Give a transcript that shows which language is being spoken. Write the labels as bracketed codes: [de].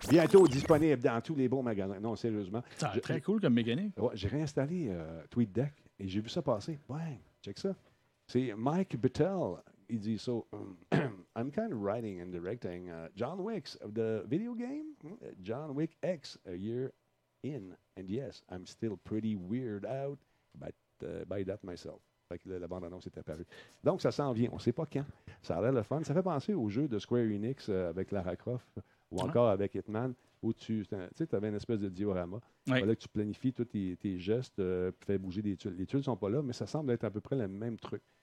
[fr] Bientôt disponible dans tous les bons magasins. Non, sérieusement. C'est très cool comme mécanique. Ouais, j'ai réinstallé TweetDeck et j'ai vu ça passer. Bang! Check ça. C'est Mike Battelle. Il dit ça. [en] I'm kind of writing and directing John Wick's the video game. John Wick X, a year in. And yes, I'm still pretty weird out by that myself. [fr] La bande-annonce est apparue. Donc, ça s'en vient. On ne sait pas quand. Ça a l'air le fun. Ça fait penser au jeu de Square Enix avec Lara Croft ou encore avec Hitman où tu avais une espèce de diorama. Oui. Là, tu planifies tous tes gestes, fais bouger des tuiles. Les tuiles ne sont pas là, mais ça semble être à peu près le même truc.